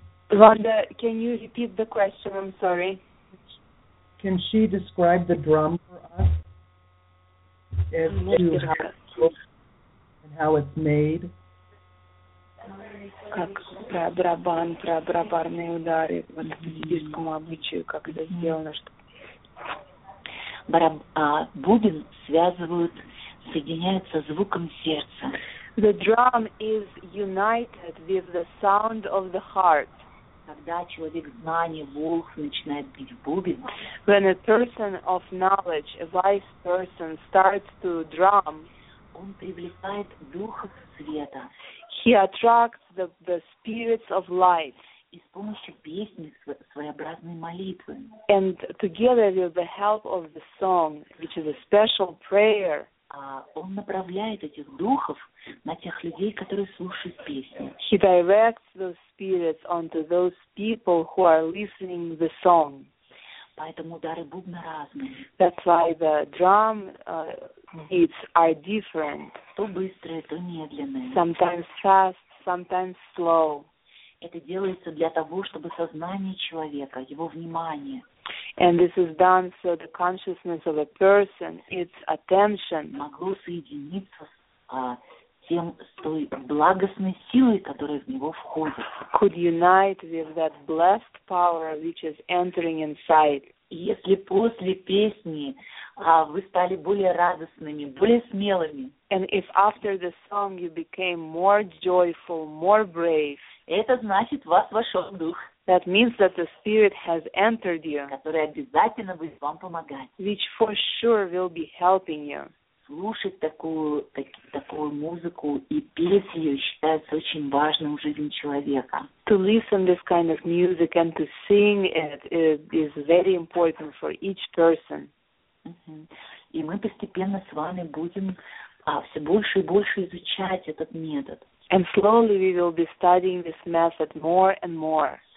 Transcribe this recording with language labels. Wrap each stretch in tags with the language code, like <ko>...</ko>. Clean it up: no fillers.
<en>Vanda, can you repeat the question? I'm sorry. Can she describe the drum for us? As to how it's built and how it's made?</en> <ru>Как барабан, про барабанные удары, вот индийскому обычаю, как это сделано, что бубен связывают, соединяются звуком сердца.</ru> <en>The drum is united with the sound of the heart.</en> <ru>Когда человек знания, волк, начинает бить бубен,</ru> <en>when a person of knowledge, a wise person, starts to drum,</en> <ru>он привлекает духов света.</ru> <en>He attracts the spirits of light.</en> <ru>И с помощью песни своеобразной молитвы.</ru> <en>And together with the help of the song, which is a special prayer,</en> <ru>он направляет этих духов на тех людей, которые слушают песню.</ru> <en>He directs those spirits onto those people who are listening the song.</en> <ru>Поэтому удары бубна разные.</ru> <en>That's why the drum beats are different.</en> <ru>То быстрые, то медленные.</ru> <en>Sometimes fast, sometimes slow.</en> <ru>Это делается для того, чтобы сознание человека, его внимание.</ru> <en>And this is done so the consciousness of a person, its attention,</en> <ru>могло соединиться с той благостной силой, которая в него входит.</ru> <en>Could unite with that blessed power which is entering inside.</en> <ru>Если после песни вы стали более радостными, более смелыми.</ru> <en>And if after the song you became more joyful, more brave.</en> <ru>Это значит, вас вошел дух.</ru> <en>That means that the spirit has entered you.</en> <ru>Который обязательно будет вам помогать.</ru> <en>Which for sure will be helping you.</en> <ru>Слушать такую музыку и петь ее считается очень важным в жизни человека.</ru> <en>To listen this kind of music and to sing it is very important for each person.</en> <ru>И мы постепенно с вами будем все больше и больше изучать этот метод.</ru> <en>And slowly we will be studying this method more and more.</en>